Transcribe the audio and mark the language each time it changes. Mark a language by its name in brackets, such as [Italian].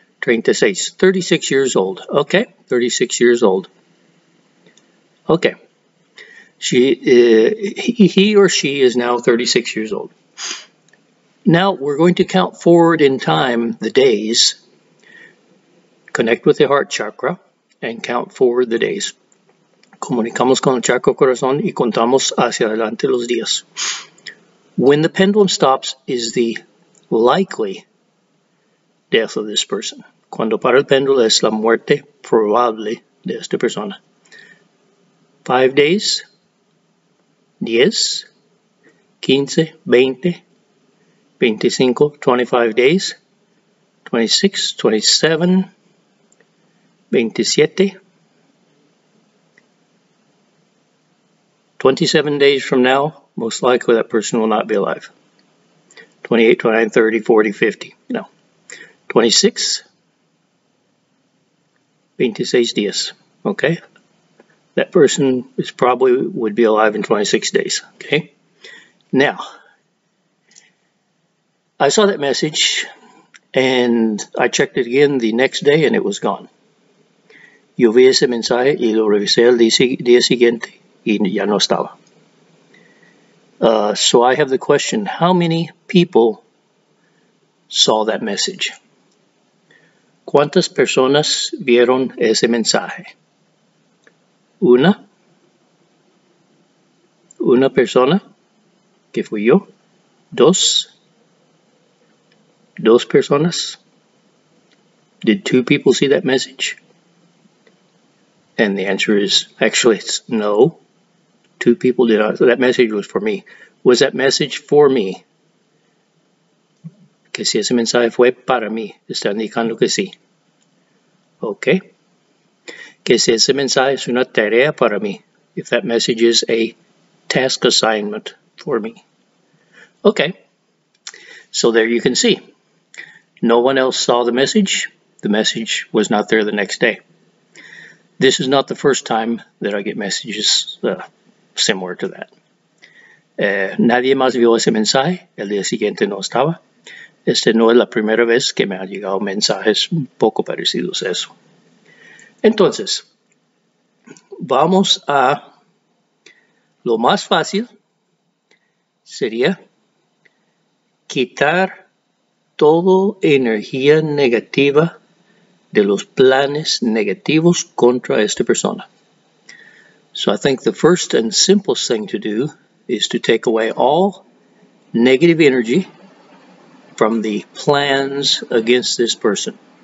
[English] 36, 36 years old. Ok, 36 years old. Ok. He or she is now 36 years old. Now, we're going to count forward in time the days. Connect with the heart chakra. And count forward the days. [Spanish] Comunicamos con el chakra corazón y contamos hacia adelante los días. [English] When the pendulum stops is the likely death of this person. [Spanish] Cuando para el péndulo es la muerte probable de esta persona. [English] 5 days, 10, 15, 20, 25, 25 days, 26, 27, 27, 27 days from now, most likely that person will not be alive. [Spanish] 28, 29, 30, 40, 50. No. 26, 26 días. Okay. [English] That person is probably would be alive in 26 days. Okay. Now, I saw that message and I checked it again the next day and it was gone. [Spanish] Yo vi ese mensaje y lo revisé el día siguiente y ya no estaba. [English] So I have the question, how many people saw that message? [Spanish] ¿Cuántas personas vieron ese mensaje? Una. Una persona, que fui yo. Dos. Dos personas. [English] Did two people see that message? And the answer is, actually, it's no. Two people did not. So that message was for me. Was that message for me? [Spanish] Que si ese mensaje fue para mí. Está indicando que sí. Okay. Que si ese mensaje es una tarea para mí. [English] If that message is a task assignment for me. Okay. So there you can see. No one else saw the message. The message was not there the next day. This is not the first time that I get messages similar to that. [Spanish] Nadie más vio ese mensaje. El día siguiente no estaba. Este no es la primera vez que me han llegado mensajes un poco parecidos a eso. Entonces, vamos a lo más fácil. Sería quitar toda energía negativa de los planes negativos contra esta persona. [English] So I think the first and simplest thing to do is to take away all negative energy from the plans against this person.